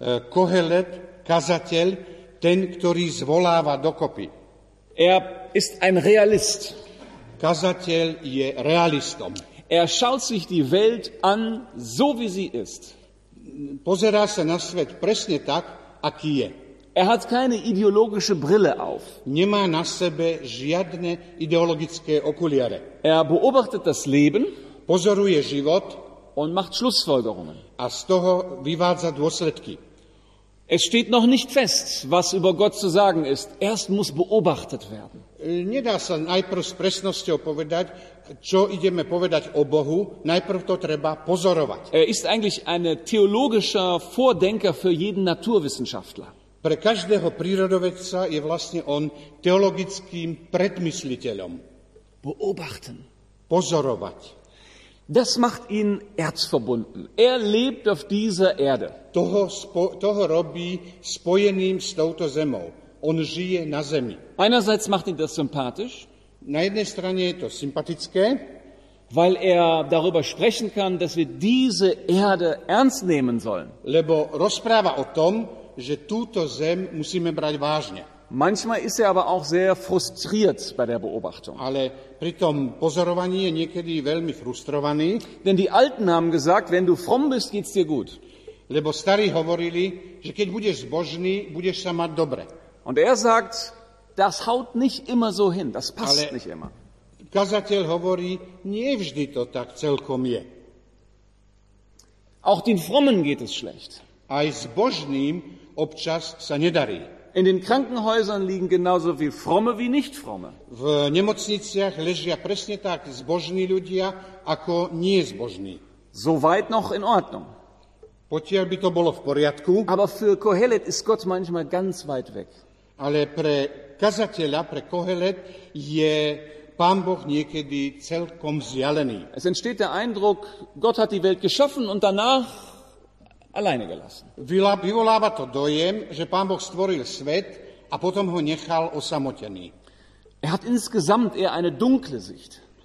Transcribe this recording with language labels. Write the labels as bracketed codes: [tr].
[sk] Kohelet, kazateľ, ten, ktorý zvoláva dokopy. [de] Er ist ein Realist. [sk] Kazateľ je realistom. [de] Er schaut sich die Welt an, so wie sie ist. [sk] Pozerá sa na svet presne tak, aký je. [de] Er hat keine ideologische Brille auf. [sk] Nemá na sebe žiadne ideologické okuliare. [de] Er beobachtet das Leben. [sk] Pozoruje život. [de] Und macht Schlussfolgerungen. [sk] A z toho vyvádza dôsledky. [de] Es steht noch nicht fest, was über Gott zu sagen ist. Erst muss beobachtet werden. [sk] Nedá sa najprv s presnosťou povedať, čo ideme povedať o Bohu. Najprv to treba pozorovať. [de] Er ist eigentlich ein theologischer Vordenker für jeden Naturwissenschaftler. [sk] Pre každého prírodovedca je vlastne on teologickým predmysliteľom. [de] Beobachten. [sk] Pozorovať. [de] Das macht ihn erzverbunden. Er lebt auf dieser Erde. [sk] Toho robí spojeným s touto zemou. On žije na zemi. [de] Einerseits macht ihn das sympathisch. [sk] Na jednej strane je to sympatické. [de] Weil er darüber sprechen kann, dass wir diese Erde ernst nehmen sollen. [sk] Lebo rozpráva o tom, že túto zem musíme brať vážne. [de] Manchmal ist er aber auch sehr frustriert bei der Beobachtung. [sk] Ale pri tom pozorovaní je niekedy veľmi frustrovaný. [de] Denn die Alten haben gesagt, wenn du fromm bist, geht's dir gut. [sk] Lebo starí hovorili, že keď budeš zbožný, budeš sa mať dobre. [de] Und er sagt, das haut nicht immer so hin, das passt [sk] Ale [de] nicht immer. [sk] Kazateľ hovorí, nie vždy to tak celkom je. [de] Auch den Frommen geht es schlecht. [sk] Aj zbožným občas sa nedarí. [de] In den Krankenhäusern liegen genauso viel Fromme wie Nicht-Fromme. [sk] V nemocniciach ležia presne tak zbožní ľudia ako nie-zbožní. [de] Soweit noch in Ordnung. [sk] Potiaľ by to bolo v poriadku. [de] Aber für Kohelet ist Gott manchmal ganz weit weg. [sk] Ale pre kazateľa, pre Kohelet, je Pán Boh niekedy celkom vzdialený. [de] Es entsteht der Eindruck, Gott hat die Welt geschaffen und danach alleine gelassen. [sk] Vyvoláva to dojem, že Pán Boh stvoril svet a potom ho nechal osamotený. [de] Er hat insgesamt eher eine dunkle Sicht.